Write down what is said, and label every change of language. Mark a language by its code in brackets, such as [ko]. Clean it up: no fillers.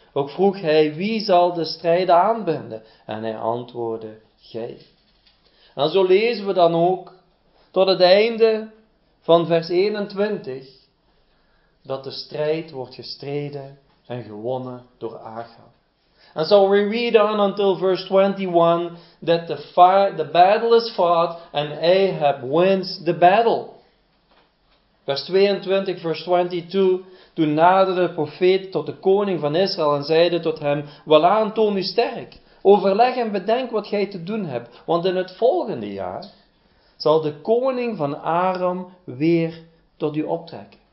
[nl] Ook vroeg hij, wie zal de strijd aanbinden? En hij antwoordde, gij. En zo lezen we dan ook, tot het einde van vers 21, dat de strijd wordt gestreden en gewonnen door Achab. [en] And so we read on until verse 21 that the battle is fought and Ahab wins the battle. [nl] Vers 22, [en] verse 22. [nl] Toen naderde de profeet tot de koning van Israël en zeide tot hem, welaan, toon u sterk. Overleg en bedenk wat gij te doen hebt. Want in het volgende jaar zal de koning van Aram weer tot u optrekken.